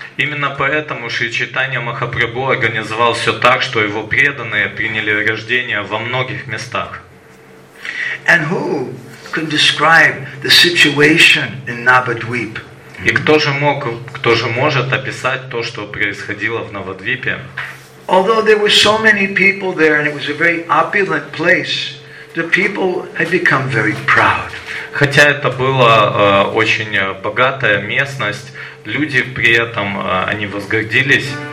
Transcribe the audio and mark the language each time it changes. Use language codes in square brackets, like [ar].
[ru] Именно поэтому Шри Чайтанья Махапрабху организовал все так, что его преданные приняли рождение во многих местах. [en] And who could describe the situation in Navadvip? [ru] И кто же может описать то, что происходило в Навадвипе? [en] Although there were so many people there and it was a very opulent place, the people had become very proud. [ru] Хотя это было очень богатая местность, люди при этом они возгордились.